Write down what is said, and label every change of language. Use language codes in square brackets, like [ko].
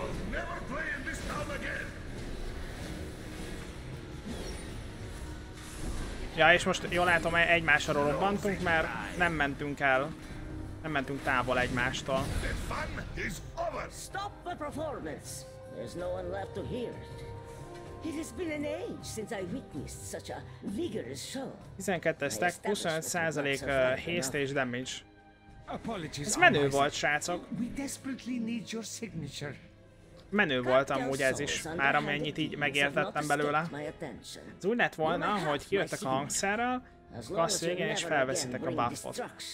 [en] Never play in this town again. [hu] Ja, és most jól látom, egymásra robbantunk, mert nem mentünk el. Nem mentünk távol egymástól. [en] The fun is over. Stop the performance. There's no one left to hear it. It has been an age since I witnessed such a vigorous show. [hu] 12-es stack, 25% haste és damage. [en] Apologies. [hu] Ez menő volt, srácok. [en] We desperately need your signature. [hu] Menő volt amúgy ez is, már amennyit így megértettem belőle. Ez úgy lett volna, hogy kijöttek a hangszerrel, kassz végén és felveszitek a buffot.